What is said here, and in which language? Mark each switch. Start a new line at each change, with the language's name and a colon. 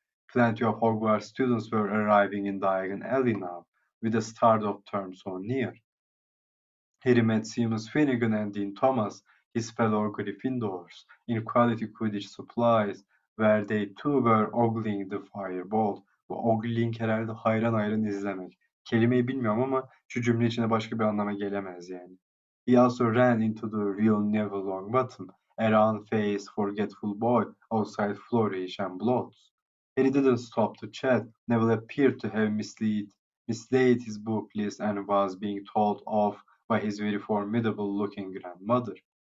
English: Plenty of Hogwarts students were arriving in Diagon Alley now, with the start of term so near. He met Seamus Finnegan and Dean Thomas, his fellow Gryffindors, in quality Quidditch supplies, where they too were ogling the fireball.
Turkish: Bu ogling herhalde hayran hayran izlemek. Kelimeyi bilmiyorum ama şu cümle içinde başka bir anlama gelemez yani.
English: He also ran into the real Neville Longbottom, a round-faced, forgetful boy, outside Flourish and Blotts. He didn't stop to chat. Neville appeared to have mislaid his book list and was being told off by his very formidable-looking grandmother.